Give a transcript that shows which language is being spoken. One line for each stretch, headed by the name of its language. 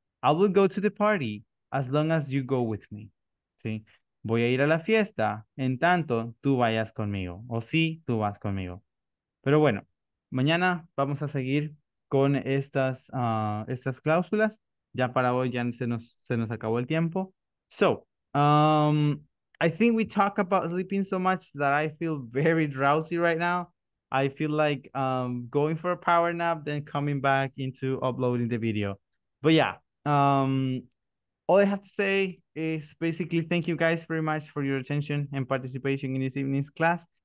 English: I will go to the party as long as you go with me.
Spanish: ¿Sí? Voy a ir a la fiesta en tanto tú vayas conmigo. O sí, tú vas conmigo. Pero bueno, mañana vamos a seguir con estas cláusulas. Ya para hoy ya se nos acabó el tiempo.
English: So, I think we talk about sleeping so much that I feel very drowsy right now. I feel like going for a power nap, then coming back into uploading the video. But yeah, all I have to say is basically thank you guys very much for your attention and participation in this evening's class.